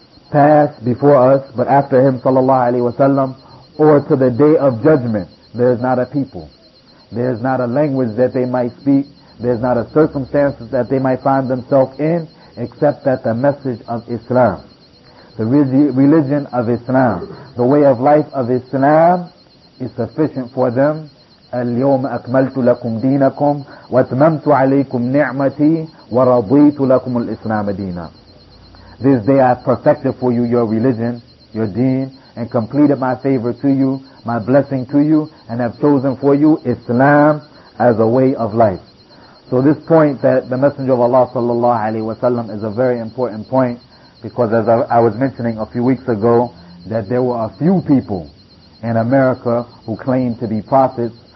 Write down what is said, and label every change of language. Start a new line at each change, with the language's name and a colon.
English: past before us, but after him sallallahu alaihi wasallam, or to the day of judgment, there is not a people, there is not a language that they might speak, there is not a circumstance that they might find themselves in, except that the message of Islam, the religion of Islam, the way of life of Islam, is sufficient for them.
Arabic: اليوم أكملت لكم دينكم واتممت عليكم نعمتي ورضيت لكم الإسلام دينا.
English: This day I have perfected for you your religion, your deen, and completed my favor to you, my blessing to you, and have chosen for you Islam as a way of life. So this point that the Messenger of Allah sallallahu alaihi wasallam is a very important point, because as I was mentioning a few weeks ago, that there were a few people in America who claimed to be prophets.